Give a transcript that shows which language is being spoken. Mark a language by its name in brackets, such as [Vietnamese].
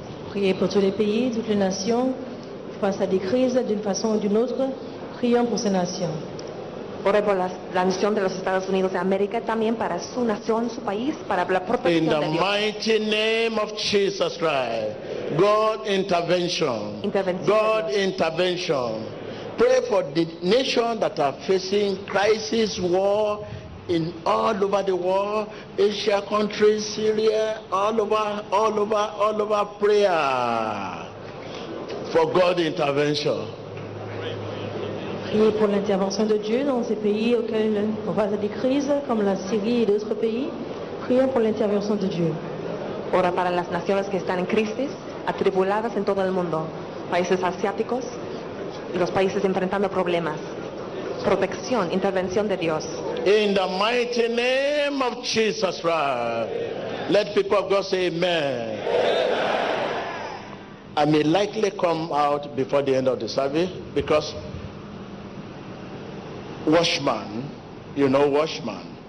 [French] Priez pour tous les pays, toutes les nations, face à des crises d'une façon ou d'une autre. Prions pour ces nations. [Spanish] Ore por la nación de los Estados Unidos de América, también para su nación, su país, para la protección de Dios. [English] In the mighty name of Jesus Christ, God intervention. [Spanish] Intervención. [English] God intervention. Pray for the nation that are facing crisis, war, in all over the world, Asia countries, Syria, all over. Prayer for God intervention. [French] Priez pour l'intervention de Dieu dans ces pays auxquels on face à des crises comme la Syrie et d'autres pays. Priez pour l'intervention de Dieu. [Spanish] Ora para las naciones que están en crisis, atribuladas en todo el mundo, países asiáticos y los países enfrentando problemas. Protección, intervención de Dios. [English] In the mighty name of Jesus Christ, let people of God say amen. Amen. I may likely come out before the end of the service because watchman, you know watchman.